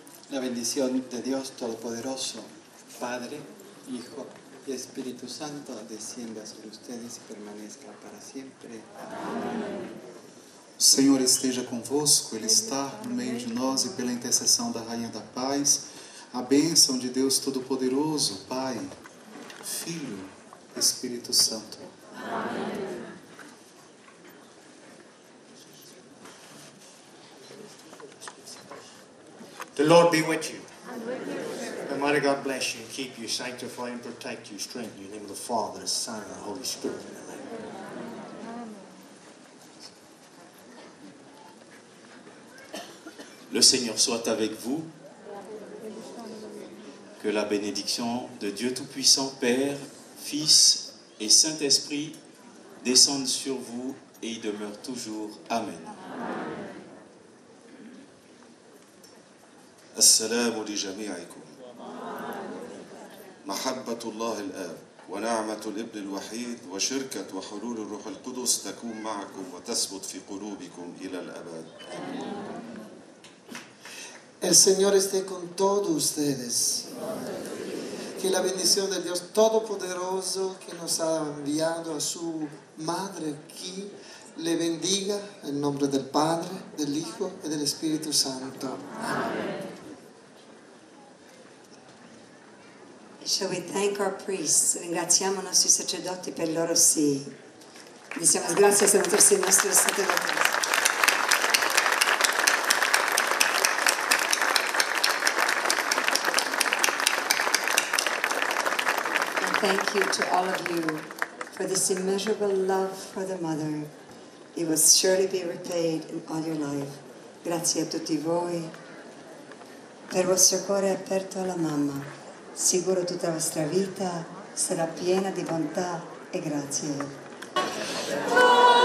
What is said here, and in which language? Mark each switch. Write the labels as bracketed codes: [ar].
[es] La bendición de Dios Todopoderoso, Padre, Hijo y Espíritu Santo, descienda sobre ustedes y permanezca para siempre. Amén. [pt] Señor esteja convosco, Ele está no meio de nós e pela intercessão da Rainha da Paz, a bênção de Deus Todopoderoso, Pai, Filho, Espírito Santo. Amém. [en] The Lord be with you. And with your spirit. And mighty God bless you and keep you, sanctify and protect you, strengthen you in the name of the Father, the Son, and the Holy Spirit. Amen. Amen. [fr] Le Seigneur soit avec vous. Que la bénédiction de Dieu Tout-Puissant, Père, Fils et Saint-Esprit descende sur vous et y demeure toujours. Amen. Amen. [ar] السلام لجميعكم محبة الله الآب ونعمة الابن الوحيد وشركة وحلول الروح القدس تكون معكم وتثبت في قلوبكم إلى الأبد [es] El Señor esté con todos ustedes Que la bendición del Dios Todopoderoso que nos ha enviado a su madre aquí le bendiga en nombre del Padre, del Hijo y del Espíritu Santo [en] Shall we thank our priests? [it] Ringraziamo i nostri sacerdoti per il loro sì. Diciamo grazie a tutti i nostri sacerdoti. [en] And thank you to all of you for this immeasurable love for the mother. It will surely be repaid in all your life. [it] Grazie a tutti voi per vostro cuore aperto alla mamma. Sicuro tutta la vostra vita sarà piena di bontà e grazie.